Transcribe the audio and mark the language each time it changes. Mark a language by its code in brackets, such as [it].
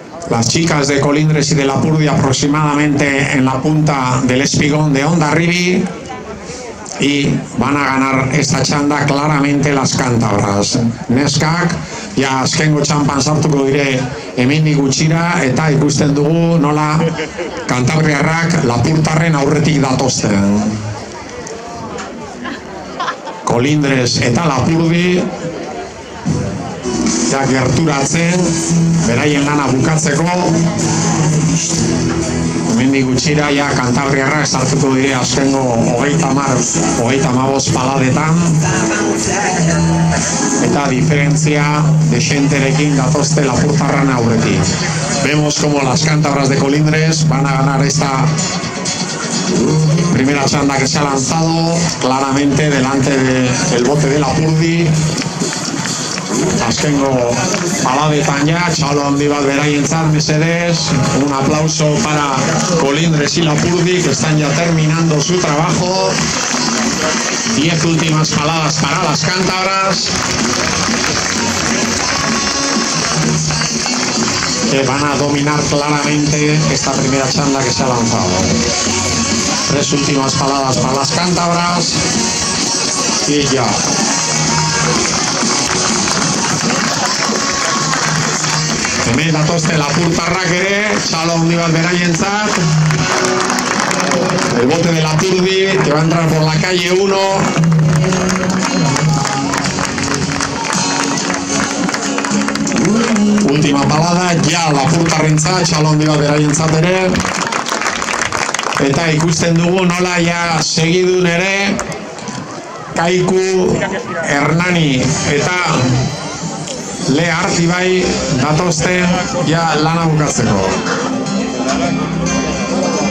[es] Las chicas de Colindres y de Lapurdi aproximadamente en la punta del espigón de Hondarribi y van a ganar esta chanda claramente las cántabras. Neskak, [eu] ja azkengo txampan sartuko dire hemendik gutxira eta ikusten dugu nola kantabriarrak lapurtarren aurretik datozten. Kolindres eta Lapurdi ja gerturatzen beraien lana bukatzeko. Hemendik gutxira ja kantabriarrak sartuko dire azkengo 30-35 paladetan. Eta diferentzia de xenterekin datozte lapurtarran aurretik. [es] Vemos como las cántabras de Colindres van a ganar esta primera chanda que se ha lanzado claramente delante del bote de Lapurdi. [eu] Azkengo paladetan ja, txalo handi bat beraientzat, mesedez. [es] Un aplauso para Colindres y Lapurdi, que están ya terminando su trabajo. 10 últimas paladas para las cántabras, que van a dominar claramente esta primera chanda que se ha lanzado. 3 últimas paladas para las cántabras y ya. [eu] Hemen datozte lapurtarrak ere, txalo handi bat beraientzat. [es] El bote de Lapurdi que va a entrar por la calle 1. Última palada, ya [eu] Lapurtarrentza, txalo handi bat beraientzat ere. Eta ikusten dugu nola ja segidun ere Kaiku, Hernani eta Leharti bai datozte ja lana bukatzeko.